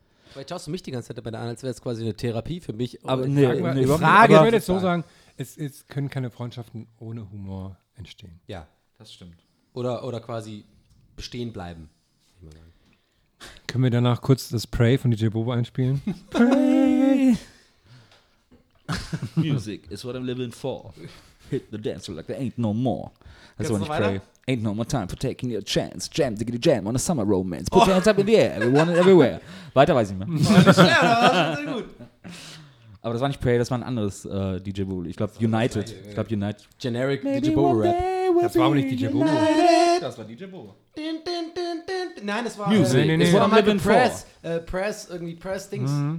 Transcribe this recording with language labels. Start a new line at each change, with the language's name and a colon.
German: Vielleicht schaust du mich die ganze Zeit dabei an, als wäre es quasi eine Therapie für mich. Aber eine Frage. Aber ich würde jetzt so sagen, es können keine Freundschaften ohne Humor entstehen. Ja, das stimmt. Oder quasi bestehen bleiben. Können wir danach kurz das Pray von DJ Bobo einspielen?
English: Pray! Music is what I'm living for. Hit the dance floor like there ain't no more. That's what I pray. Ain't no more time for taking your chance. Jam, diggity jam on a summer romance. Put your hands up in the air, everyone and everywhere.
German: Weiter weiß ich mehr. Aber das war nicht Pray, das war ein anderes DJ Bobo. Ich glaube United. Ich glaube United.
English: Generic DJ Bobo Rap.
German: Das war aber nicht DJ Bobo. Das war DJ Bobo. Nein, das war
English: Music.
German: Das war Michael Press. Press, irgendwie Press Things.